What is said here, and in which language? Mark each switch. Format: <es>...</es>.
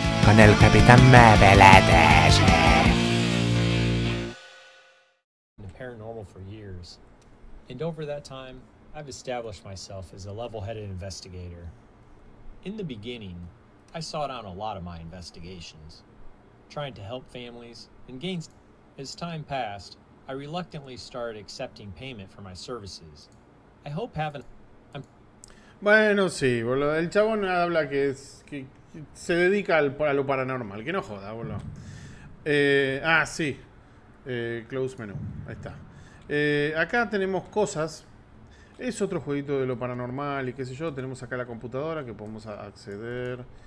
<es>con el Capitán Marvelades.</es> <en>Paranormal for years, and over that time, I've established myself as a level-headed investigator. In the beginning, I sought out a lot of my investigations, trying to help families and gain. As time passed, I reluctantly started accepting payment for my services. I hope having.</en> <es>Bueno, sí, boludo. El chabón habla que es que se dedica a lo paranormal. Que no joda, boludo. Sí.</es> <en>Close menu.</en> <es>Ahí está. Acá tenemos cosas. Es otro jueguito de lo paranormal y qué sé yo. Tenemos acá la computadora que podemos acceder.</es>